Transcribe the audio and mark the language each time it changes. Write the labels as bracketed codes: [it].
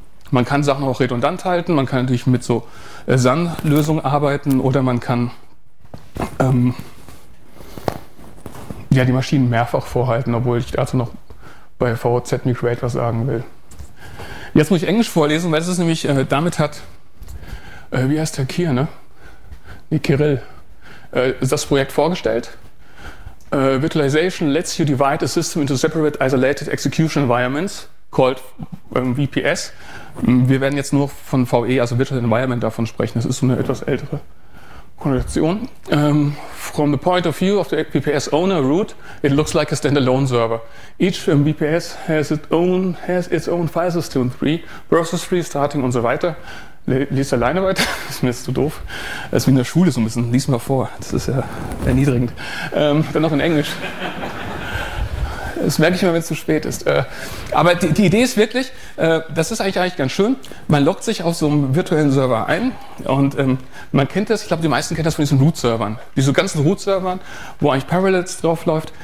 [de] Man kann Sachen auch redundant halten, man kann natürlich mit so SAN-Lösungen arbeiten oder man kann ja, die Maschinen mehrfach vorhalten, obwohl ich dazu noch bei VZ Migrate was sagen will. Jetzt muss ich Englisch vorlesen, weil es nämlich damit hat, wie heißt der Kier, ne? Nee, Kirill, das Projekt vorgestellt. [en] Virtualization lets you divide a system into separate isolated execution environments called VPS. [de] Wir werden jetzt nur von VE, also Virtual Environment, davon sprechen. Das ist so eine etwas ältere Konnotation. [en] From the point of view of the VPS owner root, it looks like a standalone server. Each VPS has its own file system tree, process tree, starting [de] und so weiter. Lies alleine weiter, das ist mir jetzt zu doof. Das ist wie in der Schule so ein bisschen. Lies mal vor, das ist ja erniedrigend. Dann noch in Englisch. Das merke ich mal, wenn es zu spät ist. Aber die Idee ist wirklich, das ist eigentlich ganz schön, man loggt sich auf so einem virtuellen Server ein und man kennt das, ich glaube, die meisten kennen das von diesen Root-Servern, diese ganzen Root-Servern, wo eigentlich Parallels draufläuft.